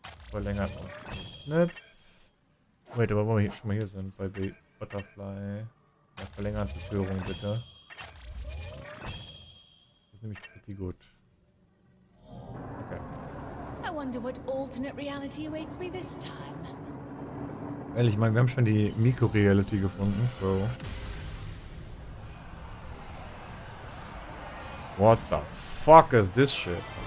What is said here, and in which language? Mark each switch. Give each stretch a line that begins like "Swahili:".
German: Verlängert uns das Netz.
English: Wait,
German: aber wo wir schon mal hier sind, bei Butterfly. Ja, verlängert Betörung bitte. Das ist nämlich
English: pretty good. Okay. I wonder what alternate reality awaits me this time.
German: Ehrlich, ich meine, wir haben schon die Mikro-Reality gefunden, so.
English: What the fuck is this shit?